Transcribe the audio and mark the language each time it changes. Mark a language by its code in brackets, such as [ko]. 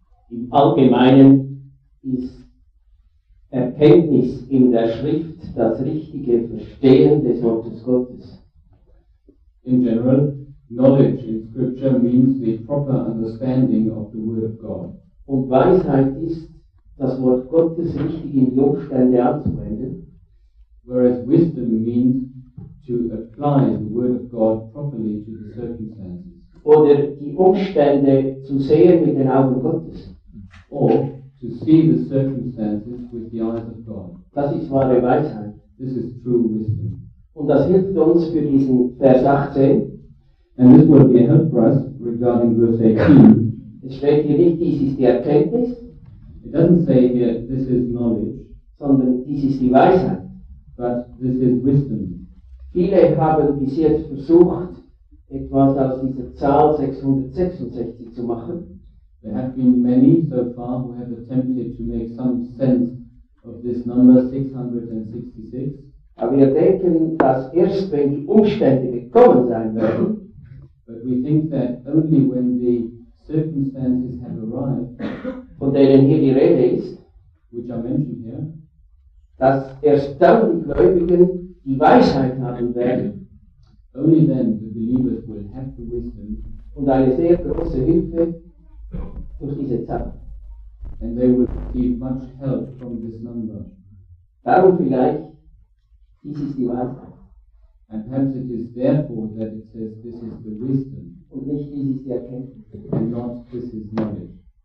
[de] Im Allgemeinen ist Erkenntnis in der Schrift das richtige Verstehen des Wortes Gottes. [en] In general, knowledge in Scripture means the proper understanding of the Word of God. [de] Und Weisheit ist, das Wort Gottes richtig in die Umstände anzuwenden. [en] Whereas wisdom means to apply the Word of God properly to the circumstances. [de] Oder die Umstände zu sehen mit den Augen Gottes. [en] Or to see the circumstances with the eyes of God. [de] Das ist wahre Weisheit. [en] This is true wisdom. [de] Und das hilft uns für diesen Vers 18. [en] And this will be a help for us regarding verse 18. [de] Es steht hier nicht, dies ist die Erkenntnis. [en] It doesn't say here, this is knowledge. [de] Sondern dies ist die Weisheit. [en] But this is wisdom. [de] Viele haben bis jetzt versucht, etwas aus dieser Zahl 666 zu machen. [en] There have been many so far who have attempted to make some sense of this number 666. [de] Aber wir denken, dass erst wenn die Umstände gekommen sein werden, [en] but we think that only when the circumstances have arrived, [de] von denen hier die Rede ist, [en] which are mentioned here, [de] dass erst dann die Gläubigen die Weisheit haben werden. [en] Only then the believers will have the wisdom. [de] Und eine sehr große Hilfe durch diese Zahl. [en] And they will receive much help from this number. [de] Darum vielleicht, dies ist die Weisheit. [en] And perhaps it is therefore that it says this is the wisdom. [de] Und nicht dies ist die Erkenntnis. [en] And not this is knowledge.